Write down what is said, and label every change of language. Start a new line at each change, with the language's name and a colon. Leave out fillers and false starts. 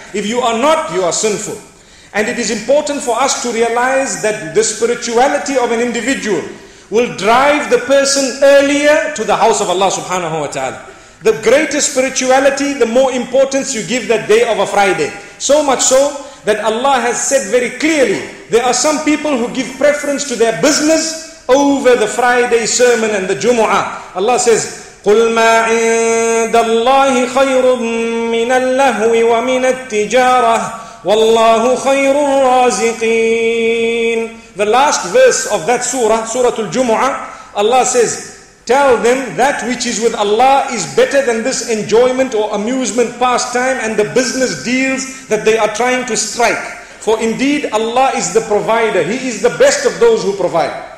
English: If you are not, you are sinful. And it is important for us to realize that the spirituality of an individual will drive the person earlier to the house of Allah subhanahu wa ta'ala. The greater spirituality, the more importance you give that day of a Friday. So much so that Allah has said very clearly, there are some people who give preference to their business over the Friday sermon and the Jumu'ah. Allah says,
Arabic: قُلْ مَا عِنْدَ اللَّهِ خَيْرٌ مِّنَ اللَّهُوِ وَمِنَ التِّجَارَةِ وَاللَّهُ خَيْرُ الرَّازِقِينَ.
English: The last verse of that surah, Surah Al-Jumu'ah, Allah says, tell them that which is with Allah is better than this enjoyment or amusement pastime and the business deals that they are trying to strike. For indeed Allah is the provider. He is the best of those who provide.